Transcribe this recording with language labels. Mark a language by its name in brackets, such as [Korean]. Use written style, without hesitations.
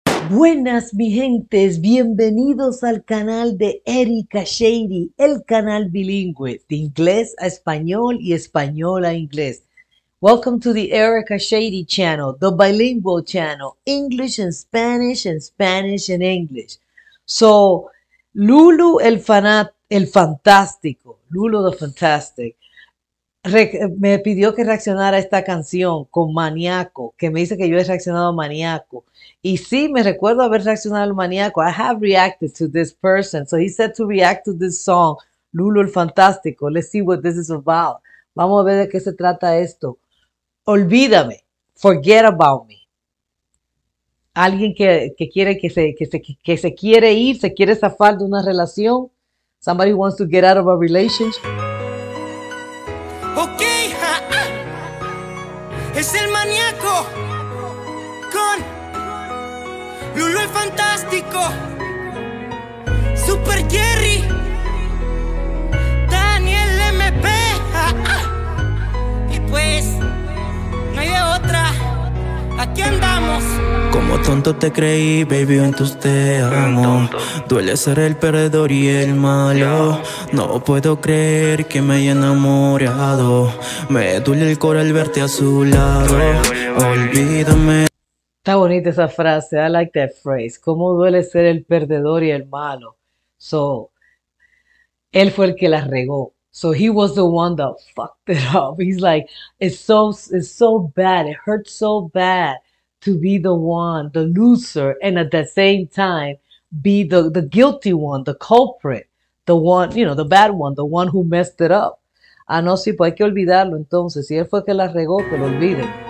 [Spanish] Buenas, mi gentes, bienvenidos al canal de Erika Sheiri, el canal bilingüe de inglés a español y español a inglés. [English] Welcome to the Erika Sheiri channel, the bilingual channel, English and Spanish and English. So, Lulu el fantástico, Lulu the fantastic. [Spanish] Me pidió que reaccionara a esta canción con Maníaco, que me dice que yo he reaccionado a Maníaco. Y sí, me recuerdo haber reaccionado al Maníaco. [English] I have reacted to this person. So he said to react to this song, Lulu el Fantástico. Let's see what this is about. [Spanish] Vamos a ver de qué se trata esto. Olvídame. [English] Forget about me. [Spanish] Alguien que quiere que se quiere ir, se quiere zafar de una relación. [English] Somebody who wants to get out of a relationship. [Spanish] Okay, es el maníaco con Lulu el fantástico, Super Jerry, Daniel MP. Y pues, no hay de otra. Aquí andamos. Como tonto te creí, baby, entonces te amo. Duele ser el perdedor y el malo. No puedo creer que me haya enamorado. Me duele el corazón al verte a su lado. Olvídame. Está bonita esa frase. [English] I like that phrase. [Spanish] ¿Cómo duele ser el perdedor y el malo? So, él fue el que la regó. [English] So he was the one that fucked it up. He's like, it's so bad. It hurts so bad to be the one, the loser, and at the same time, be the guilty one, the culprit, the one, you know, the bad one, the one who messed it up. [Spanish] Ah, no, sí, pues hay que olvidarlo entonces. Si él fue que la regó, que lo olviden.